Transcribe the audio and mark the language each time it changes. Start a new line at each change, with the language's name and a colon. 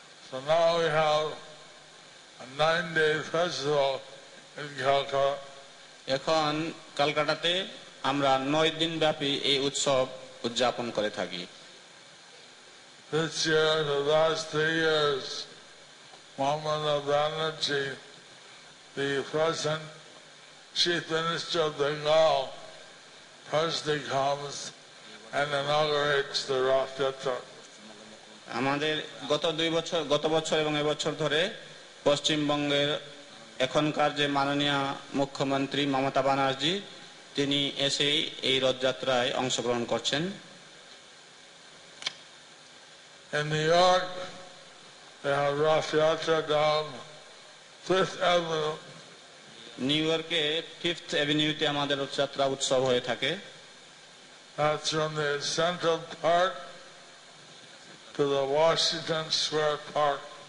English: So now we have a 9-day festival in Calcutta.
Bangla: এখন কলকাতাতে আমরা 9 দিন ব্যাপী এই উৎসব উদযাপন করে থাকি।
English: This year, the last 3 years, Mamata Banerjee, the present Chief Minister of Bengal, personally comes and inaugurates the Rath Jatra.
Bangla: আমাদের গত বছর এবং এবছর ধরে পশ্চিমবঙ্গের এখনকার যে মাননীয় মুখ্যমন্ত্রী মমতা বানার্জি, তিনি এসেই এই রথযাত্রায় অংশগ্রহণ করছেন।
English: In New York, they have Rath Yatra down Fifth Avenue.
Bangla: New York, Fifth Avenue, তে আমাদের রথযাত্রা উৎসব হয়ে থাকে।
English: That's from the Central Park to the Washington Square Park.